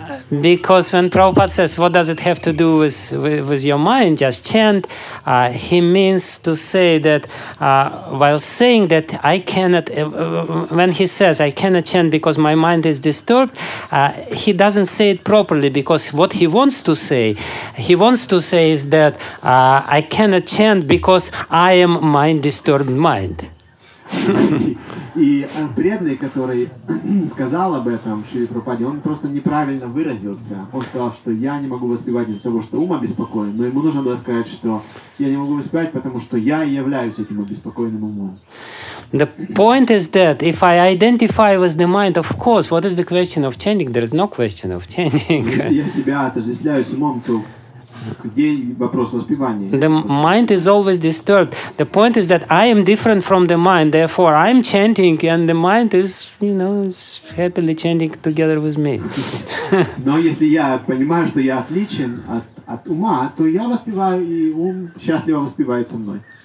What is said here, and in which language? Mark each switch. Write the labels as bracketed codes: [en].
[en] Because when Prabhupada says, what does it have to do with your mind, just chant, he means to say that while saying that I cannot, when he says I cannot chant because my mind is disturbed, he doesn't say it properly, because what he wants to say is that I cannot chant because I am mind disturbed mind. [ru] И преданный, который сказал об этом Шри Прабхупаде, он просто неправильно выразился. Он сказал, что я не могу воспевать из-за того, что ум обеспокоен, но ему нужно было сказать, что я не могу воспевать, потому что я и являюсь этим обеспокоенным умом. [en] The point is that if I identify with the mind, of course, what is the question of chanting? There is no question of chanting. [ru] Если я себя отождествляю с умом, то... [en] The mind is always disturbed. The point is that I am different from the mind, therefore I am chanting and the mind is, you know, happily chanting together with me. [ru] Но если я понимаю, что я отличен от ума, то я воспеваю, и ум счастливо воспевает со мной.